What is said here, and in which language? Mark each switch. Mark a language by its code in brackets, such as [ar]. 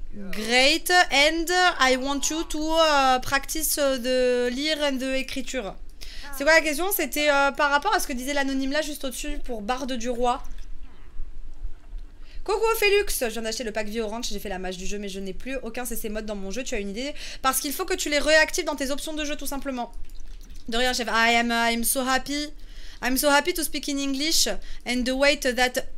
[en] Great, and I want you to practice the lire and the écriture. [fr] C'est quoi la question? C'était par rapport à ce que disait l'anonyme là juste au-dessus pour Barde du Roi. Coucou Félix, je viens d'acheter le pack vie orange, j'ai fait la mage du jeu mais je n'ai plus aucun CC mode dans mon jeu, tu as une idée? Parce qu'il faut que tu les réactives dans tes options de jeu tout simplement. De rien chef, [en] I'm so happy. I'm so happy to speak in English and the way that...